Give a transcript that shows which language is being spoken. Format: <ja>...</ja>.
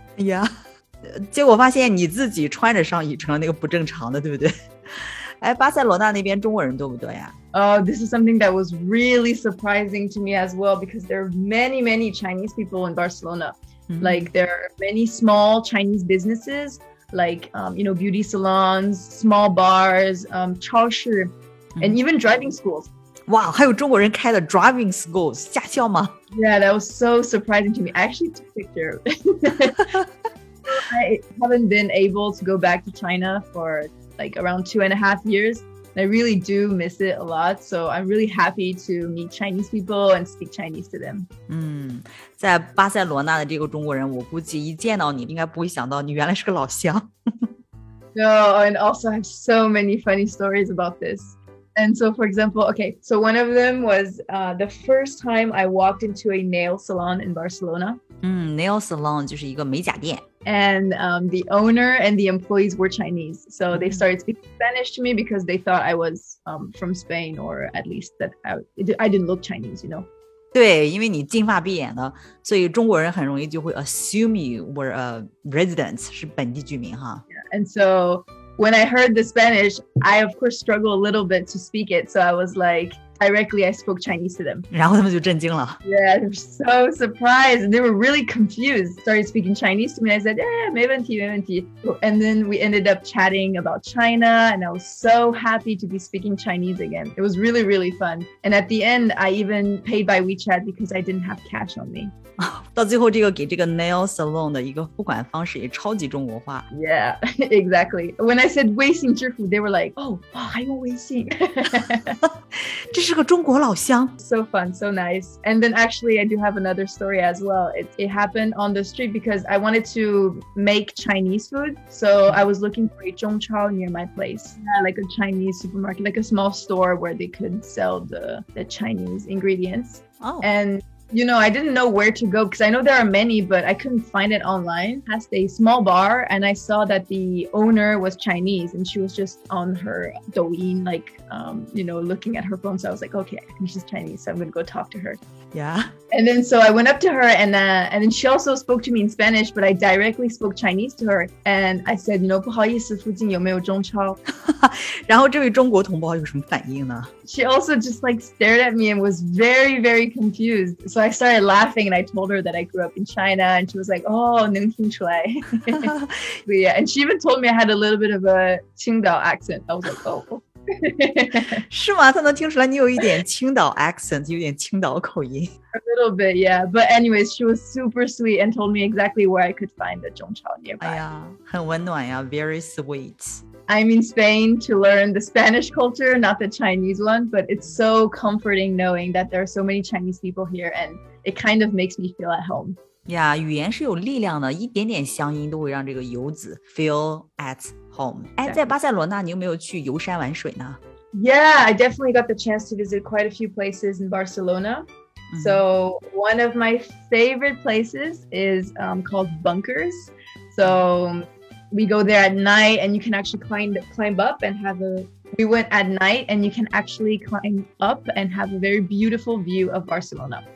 <en>Yeah.</en> <zh>结果发现你自己穿着上衣成了那个不正常的，对不对？哎，巴塞罗那那边中国人多不多呀？</zh> <en>Oh, this is something that was really surprising to me as well, because there are many, many Chinese people in Barcelona. Mm-hmm. Like, there are many small Chinese businesses, like, you know, beauty salons, small bars, 超市, and even driving schools.</en> <zh>Wow, 还有中国人开的</zh> <en>driving schools,</en> <zh>驾校吗?</zh> <en>Yeah, that was so surprising to me. I actually took a picture. I haven't been able to go back to China for, like, around 2.5 years. I really do miss it a lot, so I'm really happy to meet Chinese people and speak Chinese to them.</en> <zh>在巴塞罗那的这个中国人，我估计一见到你，应该不会想到你原来是个老乡。</zh> <en>No, and also I have so many funny stories about this. And so, for example, okay, so one of them was the first time I walked into a nail salon in Barcelona.</en> <zh>Nail salon 就是一个美甲店。</zh> <en>And the owner and the employees were Chinese. So they started speaking Spanish to me because they thought I was from Spain, or at least that I didn't look Chinese, you know.</en> <zh>对，因为你金发碧眼的，所以中国人很容易就会</zh> <en>assume you were a resident,</en> <zh>是本地居民哈。</zh> <en>Yeah, and so when I heard the Spanish, I of course struggled a little bit to speak it. So I was like... Directly, I spoke Chinese to them.</en> <zh>然后他们就震惊了。</zh> <en>Yeah, they were so surprised. They were really confused. Started speaking Chinese to me. I said, yeah,</en> <zh>没问题，没问题。</zh> <en>And then we ended up chatting about China, and I was so happy to be speaking Chinese again. It was really, really fun. And at the end, I even paid by WeChat because I didn't have cash on me.</en> <zh>到最后这个给这个 nail salon 的一个付款方式也超级中国化。</zh> <en>Yeah, exactly. When I said 微信支付, they were like, oh,</en> <zh>哇，还用微信。这是个中国老乡。</zh> <en>So fun, so nice. And then actually, I do have another story as well. It happened on the street because I wanted to make Chinese food. So I was looking for a 中超 near my place, like a Chinese supermarket, like a small store where they could sell the Chinese ingredients. Oh. And you know, I didn't know where to go because I know there are many, but I couldn't find it online. Passed a small bar and I saw that the owner was Chinese and she was just on her Douyin, like, you know, looking at her phone. So I was like, okay, I think she's Chinese, so I'm going to go talk to her. Yeah. And then so I went up to her and then she also spoke to me in Spanish, but I directly spoke Chinese to her. And I said, you know,</en> <zh>不好意思,附近有没有中超? 然后这位中国同胞有什么反应呢?</zh> <en>She also just like stared at me and was very, very confused. So I started laughing and I told her that I grew up in China and she was like, oh,</en> <zh>能听出来.</zh> <en>But yeah, and she even told me I had a little bit of a Qingdao accent. I was like, oh.</en> <zh>是吗? 她能听出来你有一点青岛 accent, 有点青岛口音。</zh> <en>A little bit, yeah. But anyways, she was super sweet and told me exactly where I could find the 中超 nearby.</en> <zh>哎呀,很温暖呀,</zh> <en>very sweet. I'm in Spain to learn the Spanish culture, not the Chinese one, but it's so comforting knowing that there are so many Chinese people here and it kind of makes me feel at home.</en> <zh>Yeah, 语言是有力量的,一点点乡音都会让这个游子</zh> <en>feel at home.</en> <zh>哎，在巴塞罗那，你有没有去游山玩水呢</zh> <en>？Yeah, I definitely got the chance to visit quite a few places in Barcelona.、Mm-hmm. So one of my favorite places is、called Bunkers. So we go there at night, and you can actually climb up and have a. We went at night, and you can actually climb up and have a very beautiful view of Barcelona.</en>